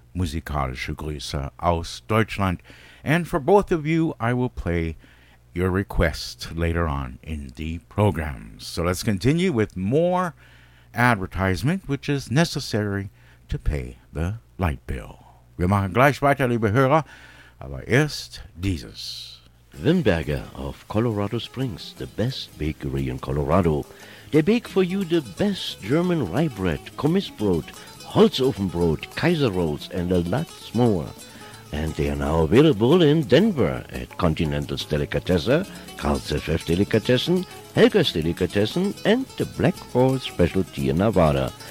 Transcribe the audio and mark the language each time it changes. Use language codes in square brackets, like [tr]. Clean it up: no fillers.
[en] Musikalische Grüße aus Deutschland. And for both of you, I will play your request later on in the program. So let's continue with more advertisement, which is necessary to pay the light bill. [de] Wir machen gleich weiter, liebe Hörer, aber erst dieses. [en] Wimberger of Colorado Springs, the best bakery in Colorado. They bake for you the best German rye bread, Kommissbrot, Holzofenbrot, Kaiser Rolls, and a lot more. And they are now available in Denver at Continental's Delicatesse, Karl's FF Delicatessen, Helga's Delicatessen, and the Black Horse Specialty in Nevada.